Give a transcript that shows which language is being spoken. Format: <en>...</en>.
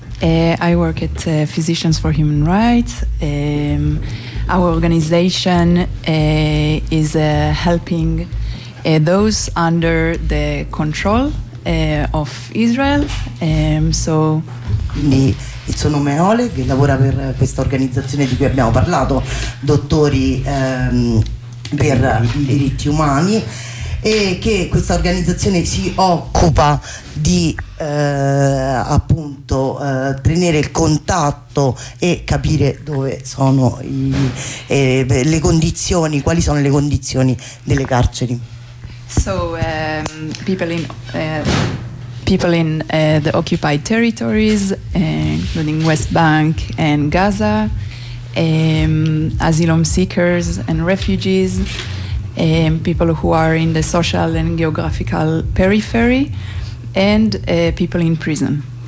<en>I work at Physicians for Human Rights. Our organization is helping those under the control of Israel. So</en> <it>il suo nome è Oleg, lavora per questa organizzazione di cui abbiamo parlato, dottori per i diritti umani, e che questa organizzazione si occupa di appunto tenere il contatto e capire dove sono le condizioni, quali sono le condizioni delle carceri.</it> <en>So people in the occupied territories, including West Bank and Gaza, asylum seekers and refugees, people who are in the social and geographical periphery, and people in prison.</en>